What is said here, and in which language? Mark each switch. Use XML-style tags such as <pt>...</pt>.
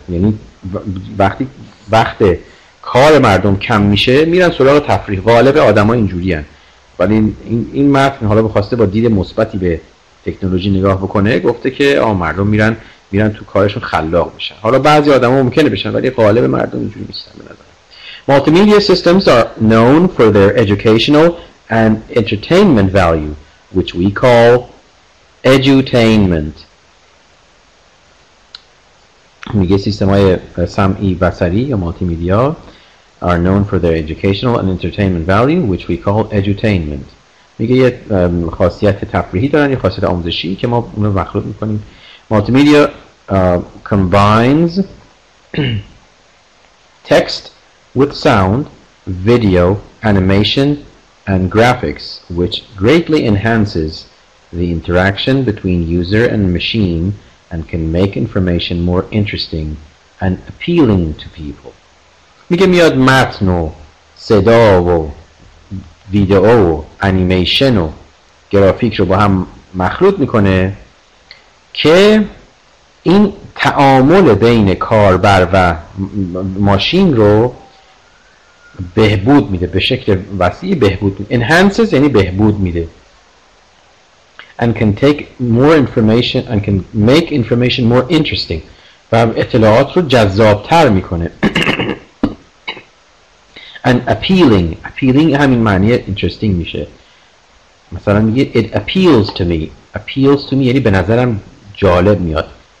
<fa>یعنی وقتی وقت کار مردم کم میشه میرن سراغ تفریح. غالب آدم ها اینجوری هن. ولی این متن حالا بخواسته با دید مثبتی به تکنولوژی نگاه بکنه گفته که آه مردم میرن تو کارشون خلاق میشن. حالا بعضی آدم ها ممکنه بشن ولی غالب مردم اینجوری نیستن.</fa> <en>Multimedia systems are known for their educational and entertainment value, which we call edutainment.</en> <fa>میگه سیستم های سمعی بصری یا مالتی میدیا</fa> <en>are known for their educational and entertainment value which we call edutainment.</en> <fa>میگه یه خاصیت تفریحی دارن، یه خاصیت آموزشی که ما اونو مخلوط میکنیم.</fa> <en>Multimedia combines text with sound, video, animation and graphics which greatly enhances the interaction between user and machine and can make information more interesting and appealing to people.</en> <fa>میگه میاد متن و صدا و ویدئو و انیمیشن و گرافیک رو با هم مخلوط میکنه که این تعامل بین کاربر و ماشین رو بهبود میده، به شکل وسیع بهبود میده. enhances یعنی بهبود میده.</fa> <en>And can take more information and can make information more interesting.</en> <fa>و اطلاعات رو جذابتر میکنه.</fa> <en>And appealing. Appealing</en> <fa>همین معنی</fa> <en>interesting</en> <fa>میشه. مثلا میگه</fa> <en>it appeals to me. Appeals to me</en> <fa>یعنی به نظرم جالب میاد.</fa>